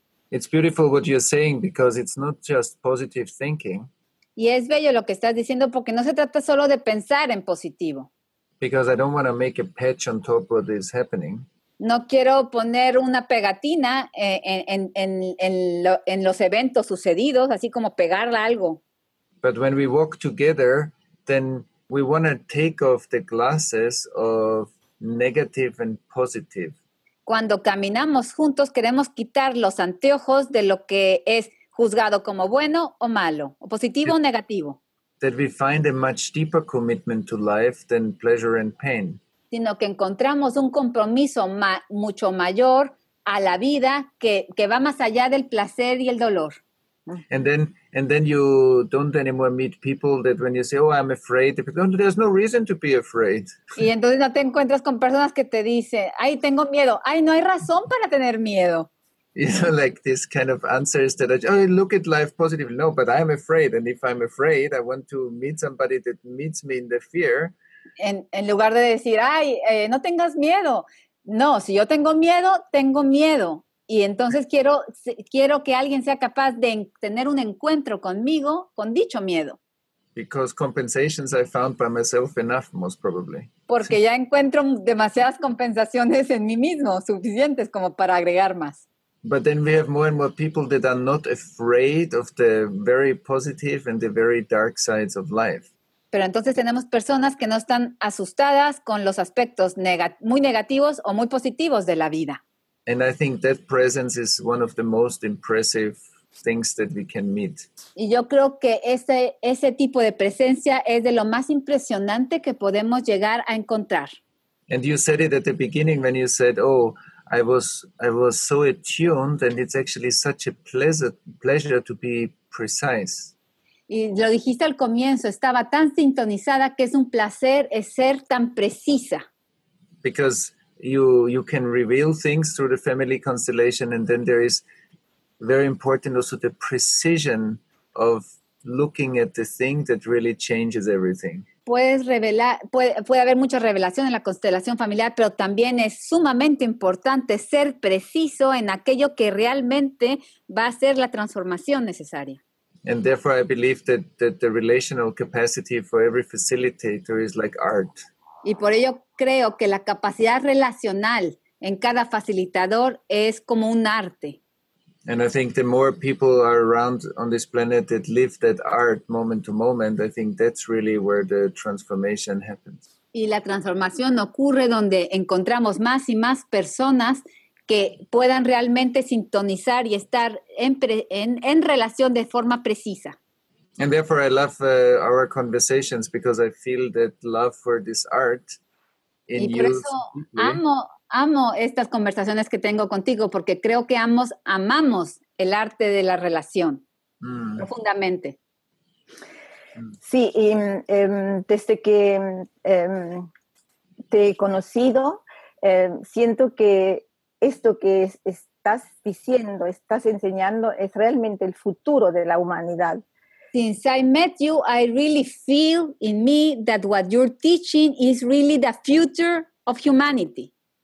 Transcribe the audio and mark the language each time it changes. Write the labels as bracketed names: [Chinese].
[English] It's beautiful what you're saying because it's not just positive thinking. [Spanish] Y es bello lo que estás diciendo porque no se trata solo de pensar en positivo. [English] Because I don't want to make a patch on top of what is happening. [Spanish] No quiero poner una pegatina en los eventos sucedidos, así como pegarla algo. [English] But when we walk together, then we want to take off the glasses of negative and positive. [Spanish] Cuando caminamos juntos, queremos quitar los anteojos de lo que es juzgado como bueno o malo, o positivo o negativo. [English] That we find a much deeper commitment to life than pleasure and pain. [Spanish] Sino que encontramos un compromiso mucho mayor a la vida que va más allá del placer y el dolor. [English] And then you don't anymore meet people that when you say, oh, I'm afraid, there's no reason to be afraid. [Spanish] Y entonces no te encuentras con personas que te dicen, ay, tengo miedo. Ay, no hay razón para tener miedo. [English] You know, like this kind of answers that, oh, look at life positively. No, but I'm afraid. And if I'm afraid, I want to meet somebody that meets me in the fear. [Spanish] En lugar de decir, ay, no tengas miedo. No, si yo tengo miedo, tengo miedo. Y entonces quiero que alguien sea capaz de tener un encuentro conmigo con dicho miedo. [English] Because compensations I found by myself enough, most probably. [Spanish] Porque ya encuentro demasiadas compensaciones en mí mismo, suficientes como para agregar más. [English] But then we have more and more people that are not afraid of the very positive and the very dark sides of life. [Spanish] Pero entonces tenemos personas que no están asustadas con los aspectos muy negativos o muy positivos de la vida. [English] And I think that presence is one of the most impressive things that we can meet. [Spanish] Y yo creo que ese tipo de presencia es de lo más impresionante que podemos llegar a encontrar. [English] And you said it at the beginning when you said, oh, I was so attuned and it's actually such a pleasure to be precise. [Spanish] Y lo dijiste al comienzo, estaba tan sintonizada que es un placer ser tan precisa. [English] Because you can reveal things through the family constellation and then there is very important also the precision of looking at the thing that really changes everything. [Spanish] Puede haber mucha revelación en la constelación familiar, pero también es sumamente importante ser preciso en aquello que realmente va a ser la transformación necesaria. [English] And therefore, I believe that the relational capacity for every facilitator is like art. [Spanish] Y por ello creo que la capacidad relacional en cada facilitador es como un arte. [English] And I think the more people are around on this planet that live that art moment to moment, I think that's really where the transformation happens. [Spanish] Y la transformación ocurre donde encontramos más y más personas que puedan realmente sintonizar y estar en relación de forma precisa. [English] And therefore I love our conversations because I feel that love for this art in you. [Spanish] Y por eso amo estas conversaciones que tengo contigo porque creo que amamos el arte de la relación profundamente. Sí, y desde que te he conocido, siento que esto que estás diciendo, estás enseñando, es realmente el futuro de la humanidad. [English] Since I met you, I really feel in me that what you're teaching is really the future of humanity.